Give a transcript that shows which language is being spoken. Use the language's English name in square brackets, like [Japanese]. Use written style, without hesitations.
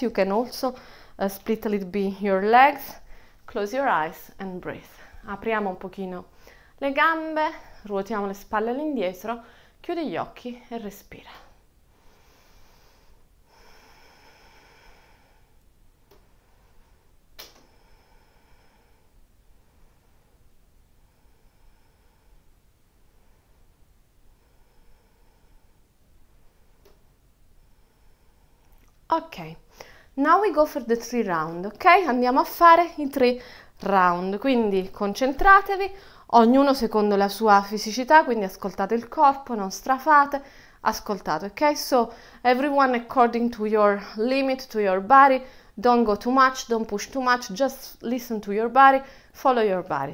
[English] You can also split a little bit your legs. Close your eyes and breathe. [Italian] Apriamo un pochino le gambe, ruotiamo le spalle all'indietro, chiudi gli occhi e respira. [English] Ok, now we go for the 3 round, ok? [Italian] Andiamo a fare i 3 round, quindi concentratevi, ognuno secondo la sua fisicità, quindi ascoltate il corpo, non strafate, ascoltate, ok? [English] So, everyone according to your limit, to your body, don't go too much, don't push too much, just listen to your body, follow your body.